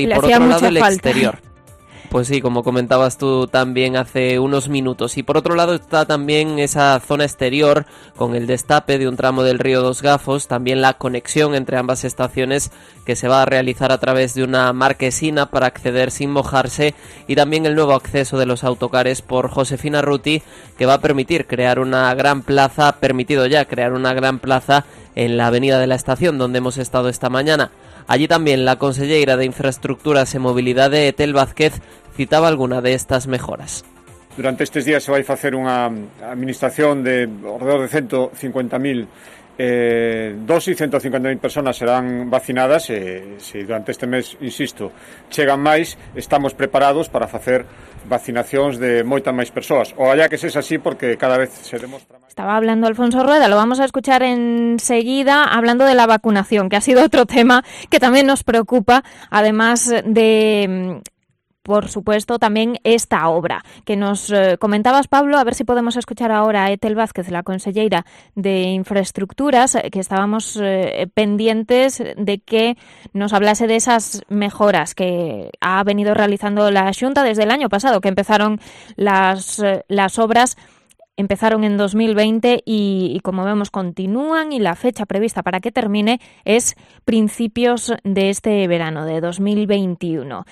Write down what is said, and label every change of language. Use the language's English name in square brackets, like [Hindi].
[Spanish] Y por otro lado, el exterior. Pues sí, como comentabas tú también hace unos minutos. Y por otro lado está también esa zona exterior con el destape de un tramo del río Dos Gafos, también la conexión entre ambas estaciones que se va a realizar a través de una marquesina para acceder sin mojarse y también el nuevo acceso de los autocares por Josefina Ruti que va a permitir crear una gran plaza, permitido ya crear una gran plaza en la avenida de la estación donde hemos estado esta mañana. Allí también la consellera de Infraestructuras y Movilidad de Etel Vázquez citaba alguna de estas mejoras. [Galician] Durante estes días se vai facer unha administración de alrededor de 150.000 dosis, 150.000 personas serán vacinadas. Se durante este mes, insisto, chegan máis, estamos preparados para facer vacinacións de moitas máis persoas. O allá que sexa así, porque cada vez se demostra máis. [Spanish] Estaba hablando Alfonso Rueda, lo vamos a escuchar enseguida, hablando de la vacunación, que ha sido otro tema que también nos preocupa, además de... Por supuesto, también esta obra que nos comentabas, Pablo, a ver si podemos escuchar ahora a Etel Vázquez, la consellera de Infraestructuras, que estábamos pendientes de que nos hablase de esas mejoras que ha venido realizando la Xunta desde el año pasado, que empezaron las obras, empezaron en 2020 y como vemos continúan y la fecha prevista para que termine es principios de este verano, de 2021.